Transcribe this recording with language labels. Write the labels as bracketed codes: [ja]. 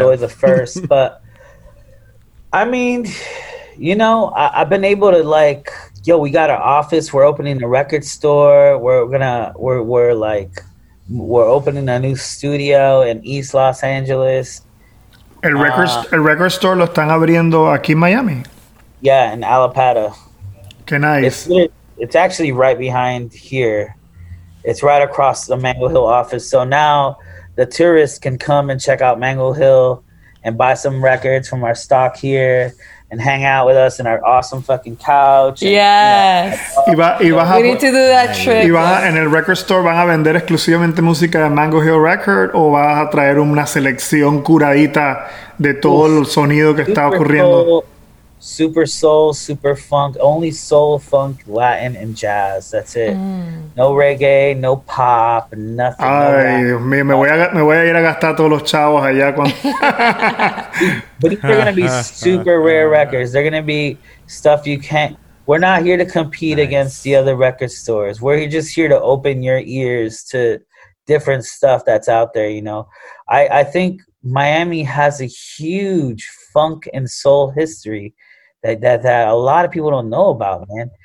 [en] always a first. But I mean, you know, I've been able to like, yo, we got our office, we're opening a record store, we're opening a new studio in East Los Angeles. [es] El record store lo están abriendo aquí en Miami. [en] Yeah, in Alapata. Okay, nice. It's actually right behind here. It's right across the Mango Hill office. So now the tourists can come and check out Mango Hill and buy some records from our stock here and hang out with us in our awesome fucking couch. And, yes. We need to do that trick. [es] ¿Y vas en el record store van a vender exclusivamente música de Mango Hill Record o vas a traer una selección curadita de todo el sonido que está ocurriendo? [en] Cool. Super soul, super funk, only soul, funk, Latin, and jazz. That's it. No reggae, no pop, nothing. [es] Ay, no Dios mío, me voy a ir a gastar todos los chavos allá. [en] But they're going to be super rare records. They're going to be stuff you can't. We're not here to compete against the other record stores. We're just here to open your ears to different stuff that's out there, you know. I think Miami has a huge funk and soul history that a lot of people don't know about, man.